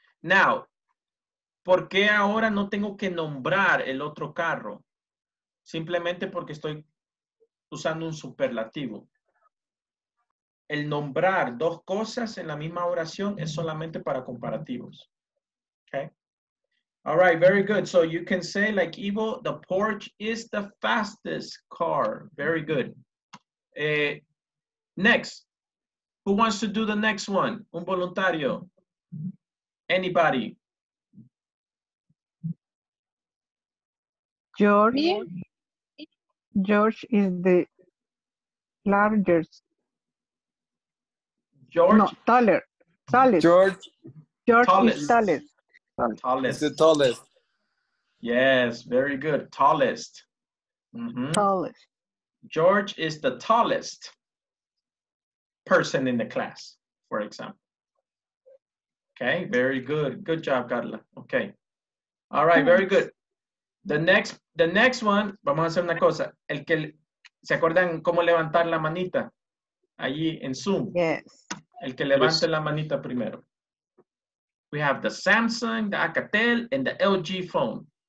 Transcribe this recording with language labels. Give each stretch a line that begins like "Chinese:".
English: Now,
Spanish: ¿por qué ahora no tengo que nombrar el otro carro? Simplemente porque estoy usando un superlativo. El nombrar dos cosas en la misma oración es solamente para comparativos.
English: Okay. All right, very good. So you can say like Ivo, the Porsche is the fastest car. Very good. Next, who wants to do the next one?
Spanish: Un voluntario.
English: Anybody? George. George is the largest. George is the tallest. Yes, very good. Tallest. Mm-hmm. Tallest. George is the tallest person in the class, for example. Okay, very good. Good job, Carla. Okay. All right, very good. The next one,
Spanish: vamos a hacer una cosa. El que, ¿se acuerdan cómo levantar la manita? Allí en Zoom.
English: Yes.
Spanish: El que levante la manita primero.
English: We have the Samsung, the Alcatel, and the LG phone.